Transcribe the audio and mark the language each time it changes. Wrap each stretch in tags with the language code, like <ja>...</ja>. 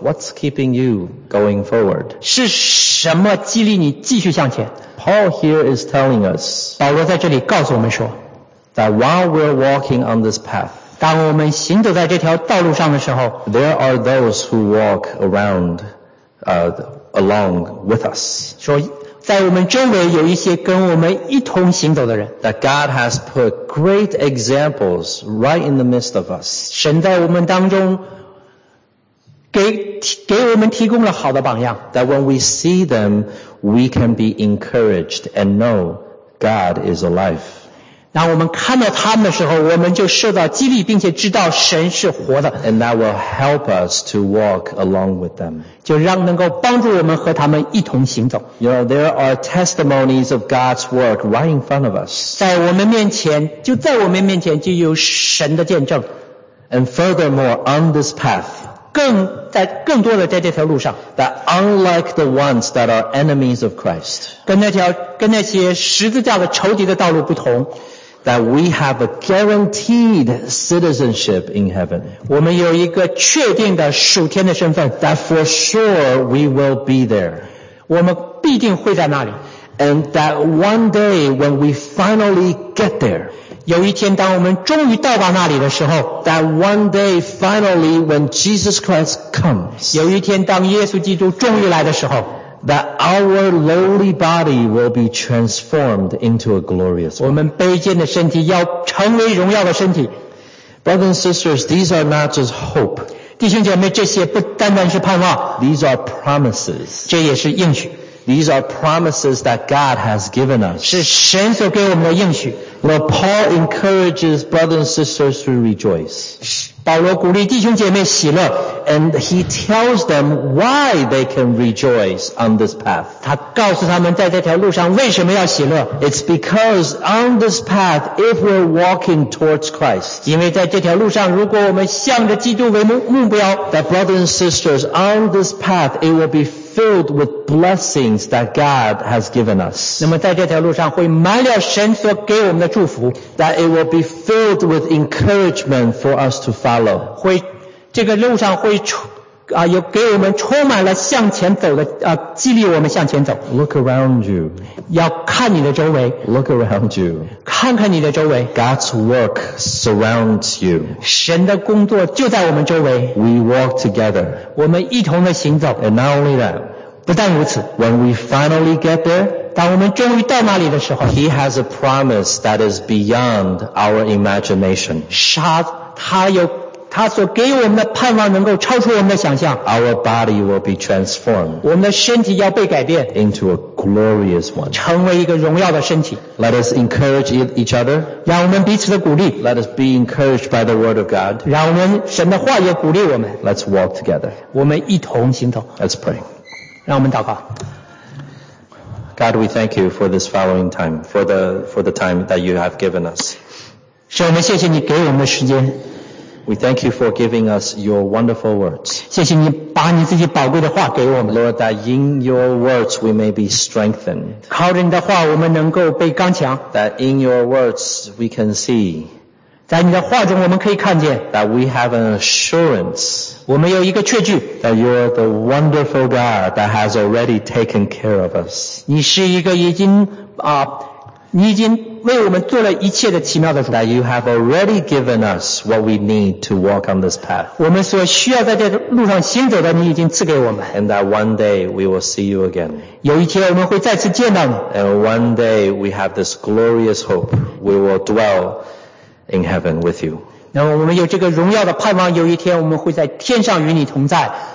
<en>What's keeping you going forward?</en> <zh>是什么激励你继续向前？</zh> <en>Paul here is telling us,</en> <zh>保罗在这里告诉我们说，</zh> <en>that while we're walking on this path,</en> <zh>当我们行走在这条道路上的时候，</zh> <en>there are those who walk around, along with us.</en> <zh>说在我们周围有一些跟我们一同行走的人。</zh> <en>That God has put great examples right in the midst of us.</en> <zh>神在我们当中给我们提供了好的榜样。</zh> <en>That when we see them, we can be encouraged and know God is alive.</en> <zh>当我们看到他们的时候，我们就受到激励，并且知道神是活的。</zh> <en>And that will help us to walk along with them.</en> <zh>就让能够帮助我们和他们一同行走。</zh> <en>You know, there are testimonies of God's work right in front of us.</en> <zh>在我们面前，就在我们面前就有神的见证。</zh> <en>And furthermore, on this path,</en> <zh>更多的在这条路上，</zh> <en>that unlike the ones that are enemies of Christ,</en> <zh>跟那些十字架的仇敌的道路不同，</zh> <en>that we have a guaranteed citizenship in heaven,</en> <zh>我们有一个确定的属天的身份，</zh> <en>that for sure we will be there,</en> <zh>我们必定会在那里，</zh> <en>and that one day when we finally get there,</en> <zh>有一天当我们终于到达那里的时候，</zh> <en>that one day finally when Jesus Christ comes,</en> <zh>有一天当耶稣基督终于来的时候，</zh> <en>that our lowly body will be transformed into a glorious body,</en> <zh>我们卑贱的身体要成为荣耀的身体。</zh> <en>Brothers and sisters, these are not just hope,</en> <zh>弟兄姐妹，这些不单单是盼望，</zh> <en>these are promises,</en> <zh>这也是应许。</zh> <en>These are promises that God has given us.</en> <zh>是神所给我们的应许。</zh> <en>Now Paul encourages brothers and sisters to rejoice.</en> <zh>保罗鼓励弟兄姐妹喜乐。</zh> <en>And he tells them why they can rejoice on this path.</en> <zh>他告诉他们在这条路上为什么要喜乐。</zh> <en>It's because on this path, if we're walking towards Christ,</en> <zh>因为在这条路上如果我们向着基督为目标，</zh> <en>that brothers and sisters, on this path, it will be filled with blessings that God has given us.</en> <zh>那么在这条路上会满了神所给我们的祝福。</zh> <en>That it will be filled with encouragement for us to follow.</en> <zh>会这个路上会有给我们充满了向前走的激励我们向前走。</zh> <en>Look around you.</en> <zh>要看你的周围。</zh> <en>Look around you.</en> <zh>看看你的周围。</zh> <en>God's work surrounds you.</en> <zh>神的工作就在我们周围。</zh> <en>We walk together.</en> <zh>我们一同的行走。</zh> <en>And not only that.</en> <zh>不但如此。</zh> <en>When we finally get there,</en> <zh>当我们终于到那里的时候，</zh> <en>He has a promise that is beyond our imagination.</en> <zh>他有他所给我们的盼望能够超出我们的想象。</zh> <en>Our body will be transformed.</en> <zh>我们的身体要被改变。</zh> <en>Into a glorious one.</en> <zh>成为一个荣耀的身体。</zh> <en>Let us encourage each other.</en> <zh>让我们彼此的鼓励。</zh> <en>Let us be encouraged by the word of God.</en> <zh>让我们神的话也鼓励我们。</zh> <en>Let's walk together.</en> <zh>我们一同行走。</zh> <en>Let's pray.</en> <zh>让我们祷告。</zh> <en>God, we thank you for this following time, for the time that you have given us.</en> <zh>神，我们谢谢你给我们的时间。</zh> <en>We thank you for giving us your wonderful words.</en> <zh>谢谢你把你自己宝贵的话给我们。</zh> <en>Lord, that in your words we may be strengthened.</en> <zh>靠着你的话我们能够被刚强。</zh> <en>That in your words we can see.</en> <zh>在你的话中我们可以看见。</zh> <en>That we have an assurance.</en> <zh>我们有一个确据。</zh> <en>That you are the wonderful God that has already taken care of us.</en> <zh>你是一个已经你已经为我们做了一切的奇妙的主。</zh> <en>That you have already given us what we need to walk on this path.</en> <zh>我们所需要在这路上行走的你已经赐给我们。</zh> <en>And that one day we will see you again.</en> <zh>有一天我们会再次见到你。</zh> <en>And one day we have this glorious hope. We will dwell in heaven with you.</en> <zh>那么我们有这个荣耀的盼望，有一天我们会在天上与你同在。</zh>